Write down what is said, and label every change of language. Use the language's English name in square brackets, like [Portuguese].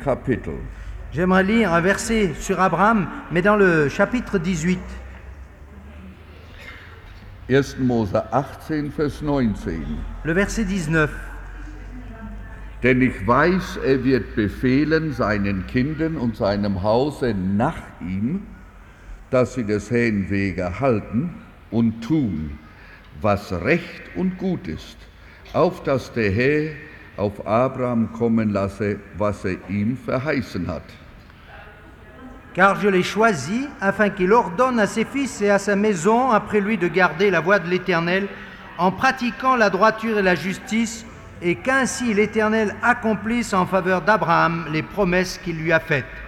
[German] Kapitel. [French] J'aimerais lire un verset sur Abraham, mais dans le chapitre 18. [German] 1. Mose 18, Vers 19. [French] Le verset 19. [German] Denn ich weiß, er wird befehlen seinen Kindern und seinem Hause nach ihm, dass sie des Herrn Wege halten und tun, was recht und gut ist, auf dass der Herr auf Abraham kommen lasse, was er ihm verheißen hat. [French] Car je l'ai choisi, afin qu'il ordonne à ses fils et à sa maison après lui de garder la voie de l'Éternel, en pratiquant la droiture et la justice, et qu'ainsi l'Éternel accomplisse en faveur d'Abraham les promesses qu'il lui a faites.